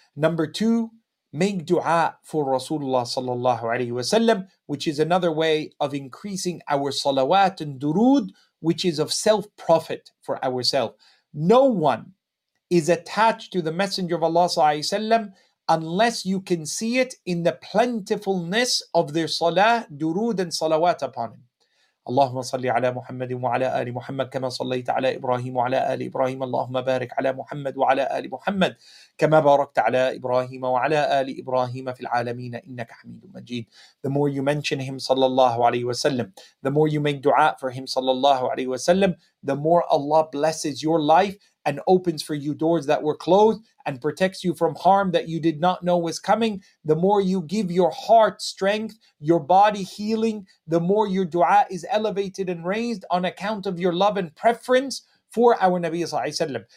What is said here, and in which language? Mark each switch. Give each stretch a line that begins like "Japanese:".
English: Number two, make dua for Rasulullah sallallahu alayhi wa sallam, which is another way of increasing our salawat and durood, which is of self-profit for ourselves. No one is attached to the Messenger of Allah sallallahu alayhi wa sallam unless you can see it in the plentifulness of their salah, durood, and salawat upon him.
Arabic: اللهم صل على محمد وعلى آل محمد كما صليت على إبراهيم وعلى آل إبراهيم اللهم بارك على محمد وعلى آل محمد كما باركت على إبراهيم وعلى آل إبراهيم في العالمين إنك حميد مجيد.
English: The more you mention him
Arabic: صلى الله عليه وسلم,
English: the more you make dua for him صلى الله عليه وسلم, the more Allah blesses your life and opens for you doors that were closed and protects you from harm that you did not know was coming. The more you give your heart strength, your body healing, the more your dua is elevated and raised on account of your love and preference for our Nabi sallallahu alayhi wa sallam.